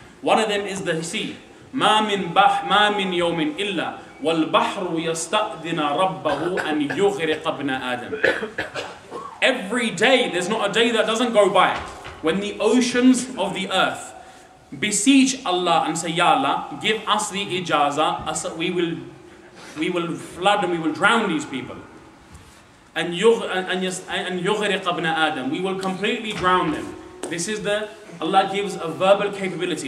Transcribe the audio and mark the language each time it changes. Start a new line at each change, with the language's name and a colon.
English: One of them is the sea.
Arabic: مَا مِنْ بَحْ مَا مِنْ يَوْمٍ إِلَّا وَالْبَحْرُ يَسْتَأْذِنَ رَبَّهُ أَنْ يُغْرِقَ ابْنَ آدَمٍ.
English: Every day, there's not a day that doesn't go by when the oceans of the earth beseech Allah and say, Ya Allah, give us the ijazah, we will flood and we will drown these people.
Arabic: And يُغْرِقَ ابْنَ آدَمٍ.
English: We will completely drown them. This is the, Allah gives a verbal capability.